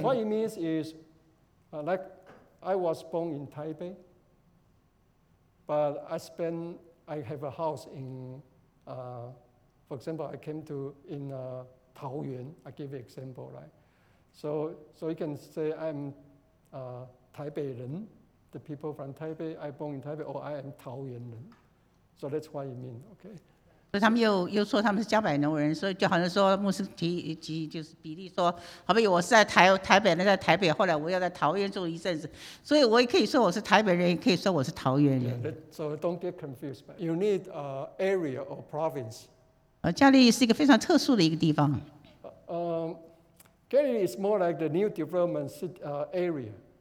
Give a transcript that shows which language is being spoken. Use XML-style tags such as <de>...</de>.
<en>What it means is, like I was born in Taipei, but I have a house in, for example, I came to in Tao Yuan, I give you an example, right? So you can say I'm Taipei Ren, the people from Taipei, I born in Taipei, or I am Tao Yuan Ren. So that's what it means, okay?</en> <zh>所以他们又说他们是加百农人，所以就好像说牧师提就是比例说，好比我是在台北人，在台北，后来我要在桃园住一阵子，所以我也可以说我是台北人，也可以说我是桃园人。</zh> <en>So don't get confused. You need a area or province.</en> <zh>加利利是一个非常特殊的一个地方。</zh> <en>Galilee is more like the new development city, area.</en>